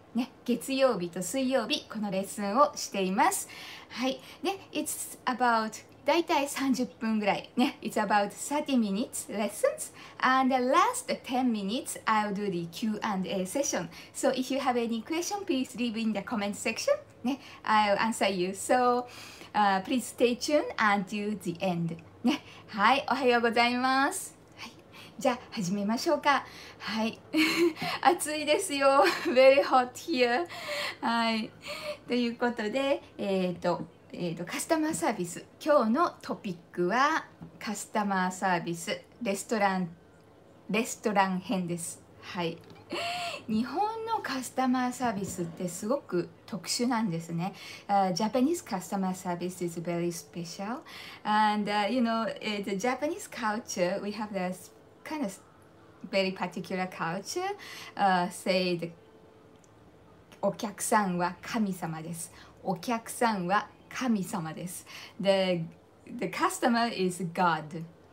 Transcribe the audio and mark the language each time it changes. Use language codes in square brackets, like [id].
[ja] ね、月曜日と水曜日このレッスンをしています。はい、で [en] It's about [ja] 大体30分ぐらいね。 [en] It's about 30 minutes lessons and the last 10 minutes I'll do the Q&A session. So if you have any question, please leave in the comment section、ね、I'll answer you. So、please stay tuned until the end、ね、はい、 [ja] おはようございます。じゃあ始めましょうか。はい、暑いですよ。 [en] Very hot here。 [ja] はい、ということで、カスタマーサービス、今日のトピックはカスタマーサービス、レストラン編です。はい、日本のカスタマーサービスってすごく特殊なんですね。 [en] Japanese customer service is very special, and you know, the Japanese culture, we have thisKind of very particular culture, say the [ja] お客さんは神様です。お客さんは神様です。 [en] The customer is God.